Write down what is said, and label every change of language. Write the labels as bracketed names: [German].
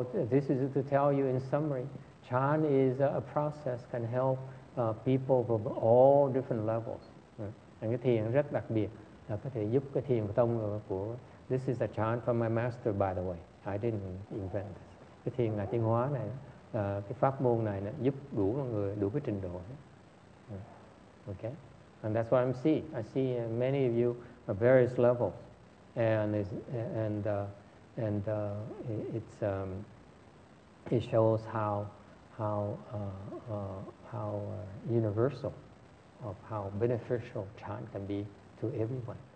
[English] This is to tell you in summary, chan is a process can help people from all different levels. [Vietnamese] Cái thiền rất đặc biệt là có thể giúp cái thiền tông của [English] this is a chan from my master, by the way. I didn't invent this. [Vietnamese] Cái thiền là tiến hóa này, cái pháp môn này nó giúp đủ mọi người đủ cái trình độ. [English] Okay. And that's what I see many of you at various levels, it shows how universal of how beneficial chan can be to everyone.